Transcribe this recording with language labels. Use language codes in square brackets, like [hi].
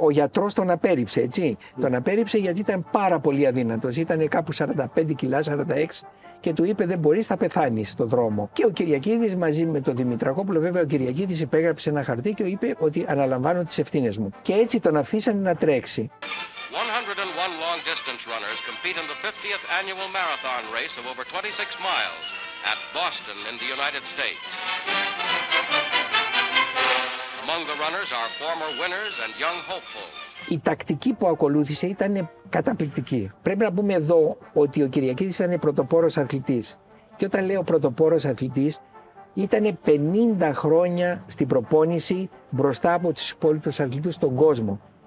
[el] Ο γιατρός τον απέρριψε, έτσι. Τον απέρριψε γιατί ήταν πάρα πολύ αδύνατος. Ήταν κάπου 45 κιλά, 46. Και του είπε: δεν μπορείς, θα πεθάνεις στον δρόμο. Και ο Κυριακίδης μαζί με τον Δημητρακόπουλο, βέβαια, ο Κυριακίδης υπέγραψε ένα χαρτί και είπε: ότι αναλαμβάνω τις ευθύνες μου. Και έτσι τον αφήσανε να τρέξει. [en] 101 long distance runners compete in the 50th annual marathon race of over 26 miles at Boston in the United States. Among the runners are former winners and young hopefuls. [el] Η τακτική που ακολούθησε ήταν καταπληκτική. Πρέπει να πούμε εδώ ότι ο Κυριακίδης ήταν πρωτοπόρος αθλητής. Και όταν λέω πρωτοπόρος αθλητής, ήταν 50 χρόνια στην προπόνηση μπροστά από τους υπόλοιπους αθλητές στον κόσμο.